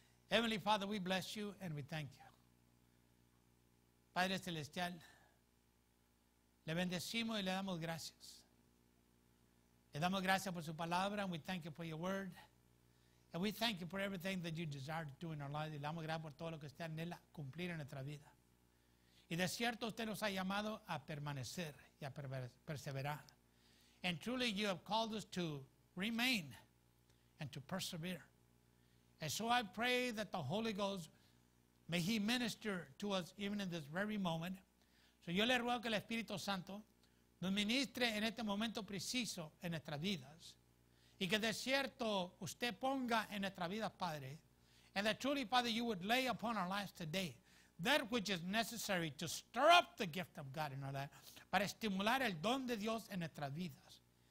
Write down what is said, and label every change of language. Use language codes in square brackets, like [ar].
[en] Heavenly Father, we bless you and we thank you. [es] Padre Celestial, le bendecimos y le damos gracias. Le damos gracias por su palabra, [en] and we thank you for your word. And we thank you for everything that you desire to do in our lives. [es] Y le damos gracias por todo lo que usted anhela cumplir en nuestra vida. Y de cierto, usted nos ha llamado a permanecer y a perseverar. [en] And truly, you have called us to remain and to persevere. And so I pray that the Holy Ghost, may he minister to us even in this very moment. [es] So yo le ruego que el Espíritu Santo nos ministre en este momento preciso en nuestras vidas. Y que de cierto usted ponga en nuestras vidas, Padre. [en] And that truly, Father, you would lay upon our lives today that which is necessary to stir up the gift of God in our lives. [es] Para estimular el don de Dios en nuestras vidas.